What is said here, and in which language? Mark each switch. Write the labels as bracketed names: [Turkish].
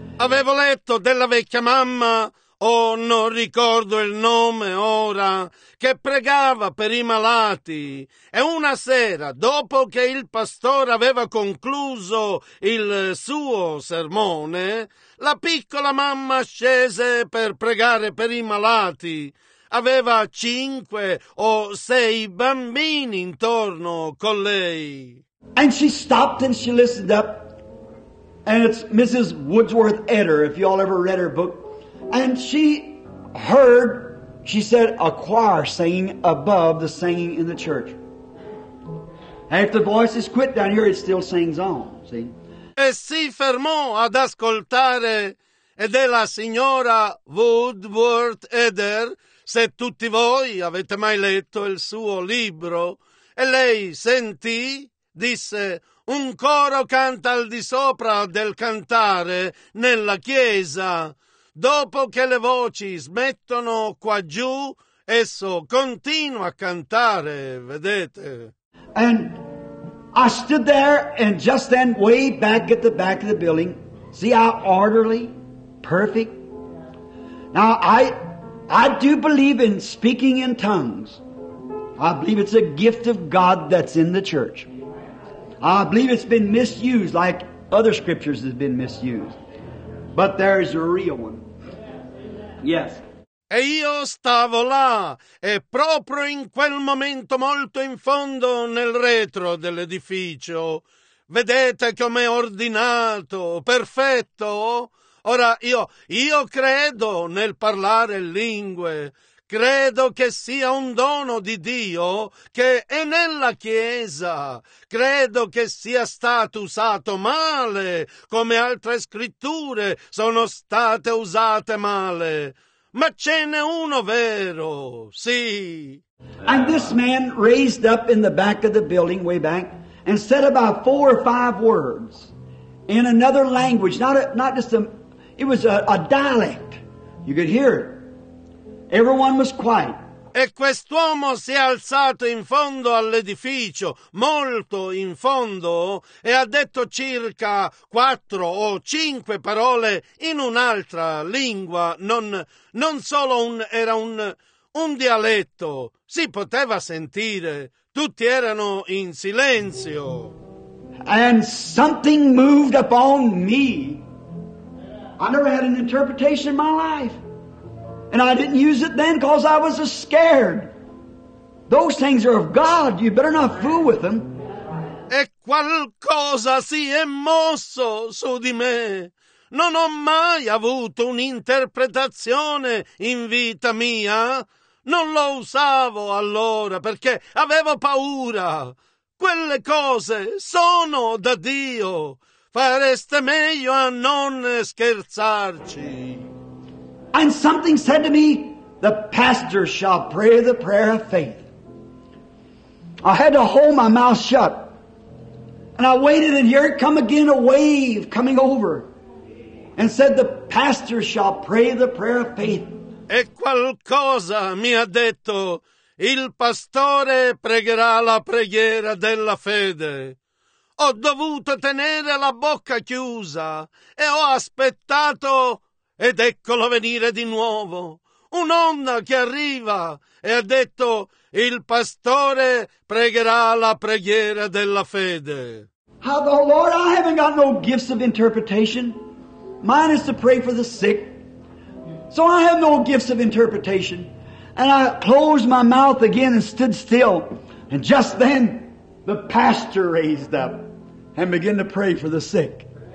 [Italian] Avevo letto della vecchia mamma, non ricordo il nome ora, che pregava per i malati. E una sera, dopo che il pastore aveva concluso il suo sermone, la piccola mamma scese per pregare per i malati. Aveva cinque o sei bambini intorno con lei. [English] And she stopped and she listened up. And it's Mrs. Woodsworth Edder, if you all ever read her book. And she heard, she said, a choir singing above the singing in the church. And if the voices quit down here, it still sings on, see? [Italian] E si fermò ad ascoltare, ed è la signora Woodsworth Edder, se tutti voi avete mai letto il suo libro. E lei sentì, disse, un coro canta al di sopra del cantare nella chiesa. Dopo che le voci smettono qua giù, esso continua a cantare, vedete. [English] And I stood there, and just then, way back at the back of the building, see how orderly, perfect. Now, I do believe in speaking in tongues. I believe it's a gift of God that's in the church. I believe it's been misused like other scriptures have been misused. But there's a real one. Yes. [Italian] E io stavo là, e proprio in quel momento molto in fondo nel retro dell'edificio. Vedete com'è ordinato, perfetto? Ora, io credo nel parlare lingue. Credo che sia un dono di Dio che è nella Chiesa. Credo che sia stato usato male, come altre scritture sono state usate male. Ma ce n'è uno vero, sì. [English] And this man raised up in the back of the building, way back, and said about four or five words in another language. It was a dialect. You could hear it. Everyone was quiet. [Italian] E quest'uomo si è alzato in fondo all'edificio, molto in fondo, e ha detto circa quattro o cinque parole in un'altra lingua, non solo un dialetto. Si poteva sentire. Tutti erano in silenzio. [English] And something moved upon me. I never had an interpretation in my life. And I didn't use it then because I was scared. Those things are of God. You better not fool with them. [Italian] E qualcosa si è mosso su di me. Non ho mai avuto un'interpretazione in vita mia. Non lo usavo allora perché avevo paura. Quelle cose sono da Dio. Fareste meglio a non scherzarci. [English] And something said to me, the pastor shall pray the prayer of faith. I had to hold my mouth shut. And I waited, and here it come again, a wave coming over, and said, the pastor shall pray the prayer of faith. [Italian] E qualcosa mi ha detto, il pastore pregherà la preghiera della fede. Ho dovuto tenere la bocca chiusa e ho aspettato ed eccolo venire di nuovo. Un'onda che arriva e ha detto, il pastore pregherà la preghiera della fede. [English] Oh Lord, I haven't got no gifts of interpretation. Mine is to pray for the sick. So I have no gifts of interpretation. And I closed my mouth again and stood still. And just then, the pastor raised up and began to pray for the sick.